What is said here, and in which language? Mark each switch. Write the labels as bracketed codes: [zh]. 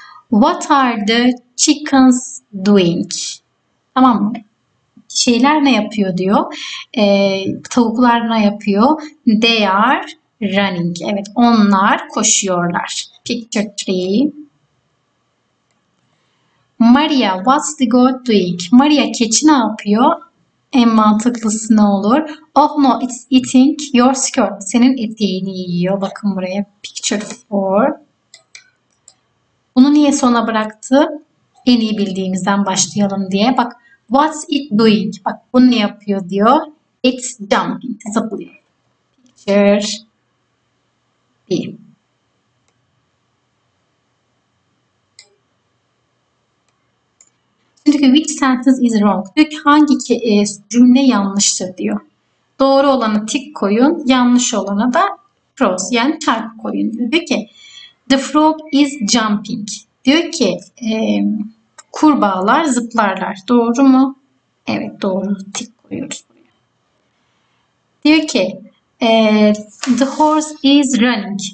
[en] What are the chickens doing? [tr] Tamam mı? Şeyler ne yapıyor diyor. Tavuklar ne yapıyor? [en] They are running. [tr] Evet, onlar koşuyorlar. [en] Picture tree. Maria, what's the goat doing? Maria, [tr] keçi ne yapıyor? En mantıklısı ne olur? [en] Oh no, it's eating your skirt. [tr] Senin eteğini yiyor. Bakın buraya. [en] Picture four. [tr] Bunu niye sona bıraktı? En iyi bildiğimizden başlayalım diye. Bak, [en] what's it doing? [tr] Bak, bunu ne yapıyor diyor. [en] It's jumping. [tr] Zıplıyor. [en] Picture five. [tr] Çünkü [en] which sentence is wrong? [tr] Diyor ki hangi cümle yanlıştır diyor. Doğru olanı tik koyun, yanlış olanı da cross yani çarpı koyun diyor. Diyor ki [en] the frog is jumping. [tr] Diyor ki kurbağalar zıplarlar. Doğru mu? Evet doğru. Tik koyuyoruz. Diyor ki [en] the horse is running.